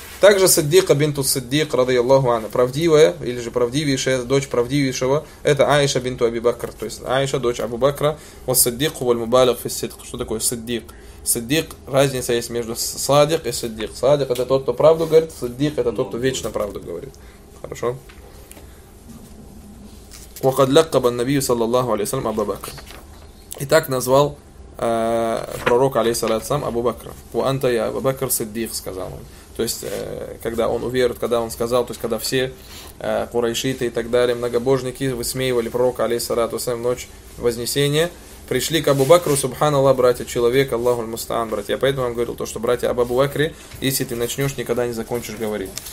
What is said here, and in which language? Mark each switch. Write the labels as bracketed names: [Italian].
[Russian] Также Саддика бинту Саддик, ради Аллаху ана, правдивая, или же правдивейшая, дочь правдивейшего, это Аиша бинту Аби Бакр, то есть Аиша, дочь Абу Бакра, вот Саддик [Arabic] валь мубалиг фи сидк. [Russian] Что такое Саддик? Саддик, разница есть между Садик и Саддик. Садик — это тот, кто правду говорит, Саддик — это тот, кто вечно правду говорит. Хорошо? [Arabic] وقد لقب النبي صلى الله عليه وسلم أبو بكر. [Russian] Итак, назвал пророк алейхиссалям Абу Бакра. [Arabic] وأنت يا أبو بكر صديق, [Russian] сказал он. То есть когда он уверует, когда он сказал, то есть когда все курайшиты и так далее, многобожники высмеивали пророка алейхиссалям в ночь вознесения, пришли к Абу Бакру, субханаллах, братья, человек, Аллаху аль-мустаан, братья. Я поэтому вам говорил то, что братья, об Абу Бакре, если ты начнешь, никогда не закончишь говорить.